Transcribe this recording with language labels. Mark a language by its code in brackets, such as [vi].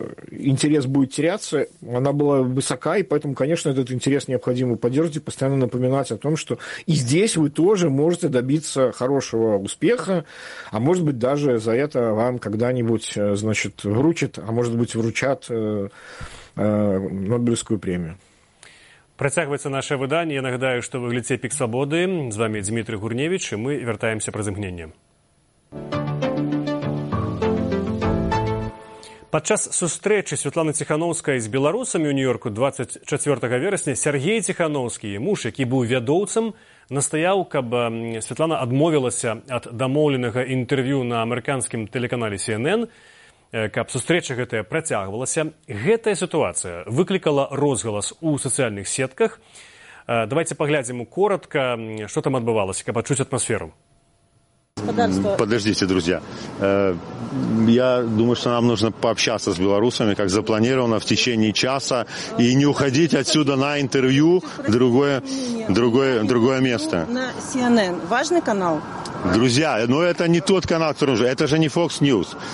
[ru] интерес будет теряться, она была высока, и поэтому, конечно, этот интерес необходимо поддерживать и постоянно напоминать о том, что и здесь вы тоже можете добиться хорошего успеха, а может быть, даже за это вам когда-нибудь, значит, вручат, а может быть, вручат Нобелевскую премию. [be] Працягваецца наше выданне. Я нагадаю, што вы глядзіце «Пік свабоды». З вамі Дмітрий Гурневіч, і мы вяртаемся праз імгненне. Падчас сустрэчы Светланы Ціхановскай з беларусамі ў Нью-Йорку 24 верасня Сергей Ціхановскі, муж, які быў вядоўцам, настаяў, каб Светлана адмовілася ад дамоўленага інтэрв'ю на амерыканскім тэлеканале CNN, каб сустрэча гэтая працягвалася. Гэтая сітуацыя выклікала розгалас у сацыяльных сетках. Давайте паглядзім коротка, што там адбывалася, каб адчуць атмасферу. [ru] Подождите, друзья. Я думаю, что нам нужно пообщаться с белорусами, как запланировано, в течение часа, и не уходить отсюда на интервью в другое место. На CNN. Важный канал? Друзья, но это не тот канал, который нужен. Это же не Fox News.